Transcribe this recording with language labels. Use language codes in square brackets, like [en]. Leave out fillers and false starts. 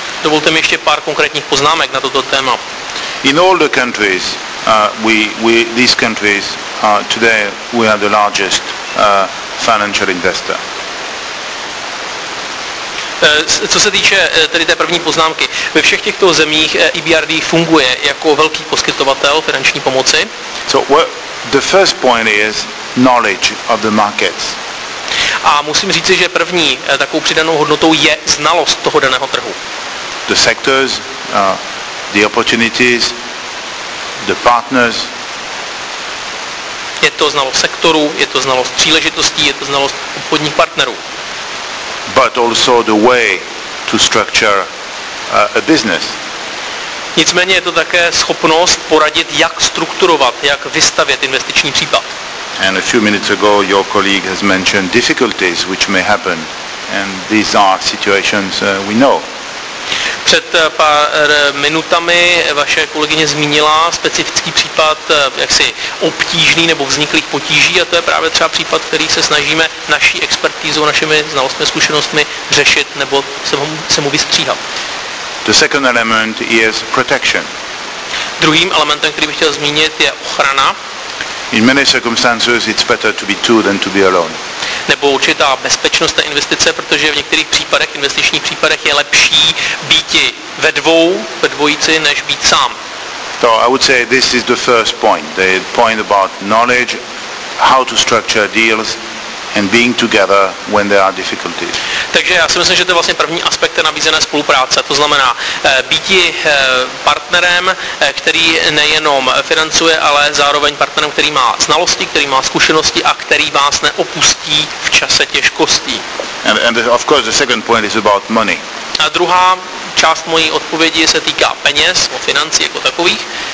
[cs] Dovolte mi ještě pár konkrétních poznámek na toto téma. [en] In all the countries, these countries, today we are the largest financial investor. [cs] Co se týče tedy té první poznámky, ve všech těchto zemích EBRD funguje jako velký poskytovatel finanční pomoci. [en] So what the first point is knowledge of the markets. [cs] A musím říci, že první takovou přidanou hodnotou je znalost toho daného trhu. [en] The sectors, the opportunities, the partners. [cs] Je to znalost sektoru, je to znalost příležitostí, je to znalost obchodních partnerů. [en] But also the way to structure a business. [cs] Nicméně je to také schopnost poradit, jak strukturovat, jak vystavět investiční případ. [en] And a few minutes ago your colleague has mentioned difficulties which may happen, and these are situations we know. [cs] Před pár minutami vaše kolegyně zmínila specifický případ jaksi obtížný nebo vzniklých potíží a to je právě třeba případ, který se snažíme naší expertizou, našimi znalostmi, zkušenostmi řešit nebo se mu vystříhat. [en] The second element is protection. [cs] Druhým elementem, který bych chtěl zmínit, je ochrana. [en] In many circumstances it's better to be two than to be alone. [cs] Nebo určitá bezpečnost té investice, protože v některých případech, investičních případech je lepší býti ve dvojici, než být sám. [en] So I would say this is the first point, the point about knowledge, how to structure deals and being together when there are difficulties. [cs] Takže já si myslím, že to je vlastně první aspekt nabízené spolupráce, to znamená býti partnerem, který nejenom financuje, ale zároveň partnerem, který má znalosti, který má zkušenosti a který vás neopustí v čase těžkostí. [en] And of course the second point is about money. [cs] A druhá část mojí odpovědi se týká peněz, o financí jako takových.